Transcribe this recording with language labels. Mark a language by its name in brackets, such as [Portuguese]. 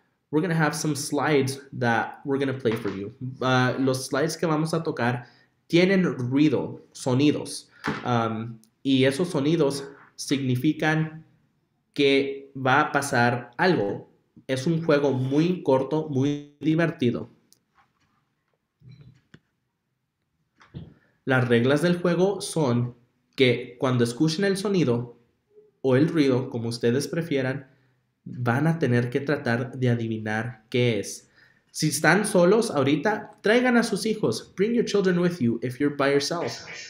[English] We're going to have some slides that we're going to play for you. [Spanish] Los slides que vamos a tocar tienen ruido, sonidos. Y esos sonidos significan que va a pasar algo. Es un juego muy corto, muy divertido. Las reglas del juego son que cuando escuchen el sonido o el ruido, como ustedes prefieran, van a tener que tratar de adivinar qué es. Si están solos ahorita, traigan a sus hijos. [English] Bring your children with you if you're by yourself.